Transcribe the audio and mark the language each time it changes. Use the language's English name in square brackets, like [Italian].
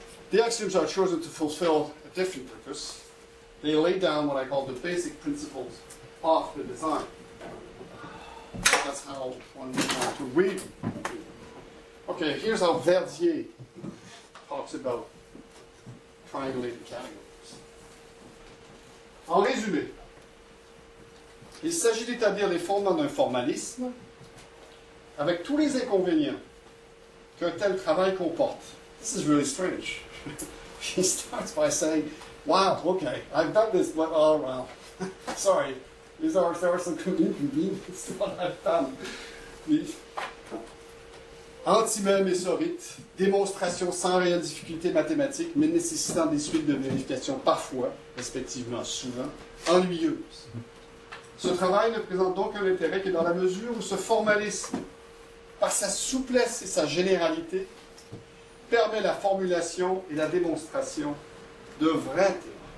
[English] The axioms are chosen to fulfill a different purpose. They lay down what I call the basic principles of the design. That's how one would want to read. Okay, here's how Verdier talks about triangulated categories. [French] En résumé, il s'agit d'établir les fondements d'un formalisme avec tous les inconvénients qu'un tel travail comporte. [English] This is really strange. He starts by saying, wow, okay, I've done this, but oh, well, sorry. There are some inconveniences to what I've done. [French] Antimème et sorite, démonstration sans réelle difficulté mathématique, mais nécessitant des suites de vérification parfois, respectivement souvent, ennuyeuses. Ce travail ne présente donc un intérêt que dans la mesure où ce formalisme, par sa souplesse et sa généralité, permet la formulation et la démonstration de vrais théorèmes.